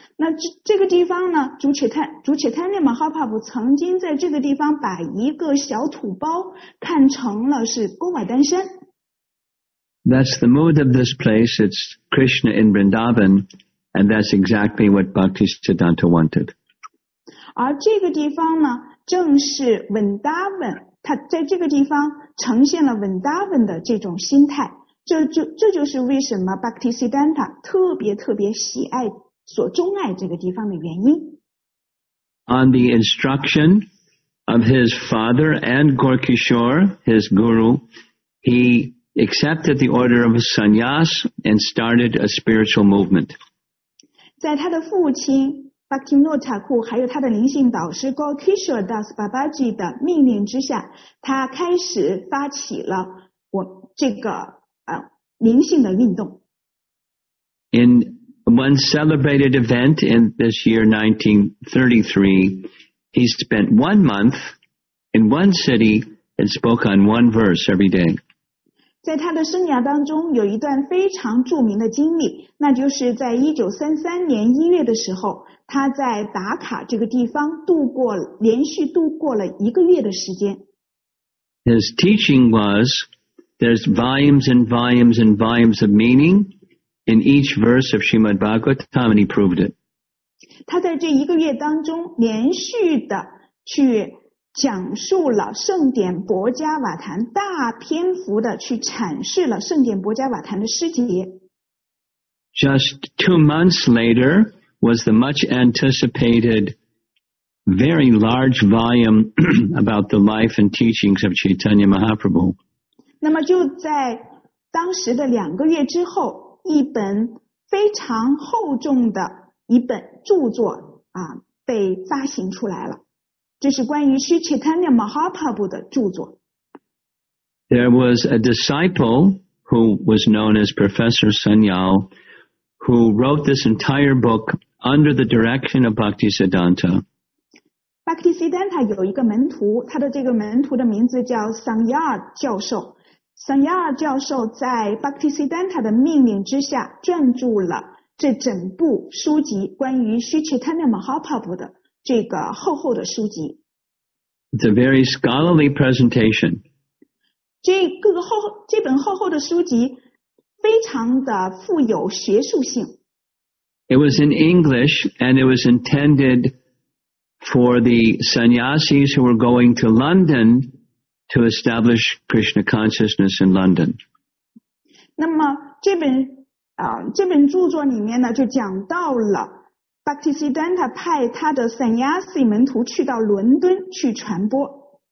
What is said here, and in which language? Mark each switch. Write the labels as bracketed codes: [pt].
[zh] 那这个地方呢，主切坦尼马哈帕普曾经在这个地方把一个小土包看成了是勾瓦丹山。 [en] That's the mood of this place. It's Krishna in Vrindavan, and that's exactly what Bhaktisiddhanta wanted. [zh] 而这个地方呢，正是 Vrindavan。他在这个地方呈现了 Vrindavan 的这种心态，这就是为什么 Bhaktisiddhanta 特别特别喜爱所钟爱这个地方的原因。 [en] On the instruction of his father and Gorkishore, his guru, he accepted the order of sannyas and started a spiritual movement. [zh] 在他的父亲Bhaktivinoda Thakur 还有他的灵性导师 Gorkishore Das Babaji 的命令之下，他开始发起了我这个灵性的运动。 [en] In one celebrated event in this year 1933, he spent 1 month in one city and spoke on one verse every day. [zh] 在他的生涯当中，有一段非常著名的经历，那就是在1933年1月的时候。他在达卡这个地方连续度过了一个月的时间。 [en] His teaching was, there's volumes and volumes and volumes of meaning in each verse of Srimad Bhagavatam, and he proved it. [zh] 他在这一个月当中连续的去讲述了圣典博迦瓦坛，大篇幅的去阐释了圣典博迦瓦坛的诗节。 [en] Just 2 months later,was the much anticipated very large volume about the life and teachings of Chaitanya Mahaprabhu. [zh] 那么就在当时的两个月之后，一本非常厚重的一本著作啊被发行出来了。这是关于 Sri Chaitanya Mahaprabhu 的著作。 [en] There was a disciple who was known as Professor Sanyal who wrote this entire book. Under the direction of Bhaktisiddhanta. [zh] Bhaktisiddhanta 有一个门徒，他的这个门徒的名字叫 Sanyal 教授。 Sanyal 教授在 Bhaktisiddhanta 的命令之下，撰著了这整部书籍，关于 Sri Chaitanya Mahaprabhu 的这个厚厚的书籍。 [en] It's a very scholarly presentation. [zh] 这本厚厚的书籍非常的富有学术性。 [en] It was in English, and it was intended for the sannyasis who were going to London to establish Krishna consciousness in London. [zh] 那么这本著作里面呢，就讲到了 Bhaktisiddhanta 派他的 sannyasi 门徒去到伦敦去传播。